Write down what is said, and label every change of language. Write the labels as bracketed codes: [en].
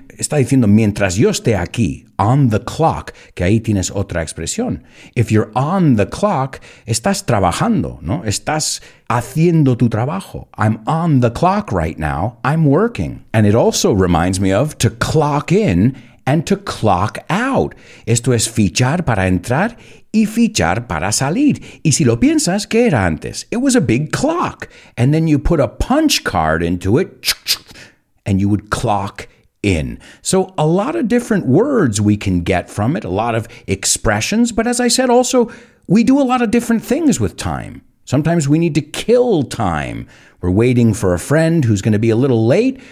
[es] Está diciendo, mientras yo esté aquí, [en] on the clock, [es] que ahí tienes otra expresión. [en] If you're on the clock, [es] estás trabajando, ¿no? Estás haciendo tu trabajo. [en] I'm on the clock right now. I'm working. And it also reminds me of to clock in and to clock out. [es] Esto es fichar para entrar y fichar para salir. Y si lo piensas, ¿qué era antes? [en] It was a big clock. And then you put a punch card into it, and you would clock in. So a lot of different words we can get from it, a lot of expressions. But as I said, also, we do a lot of different things with time. Sometimes we need to kill time. We're waiting for a friend who's going to be a little late.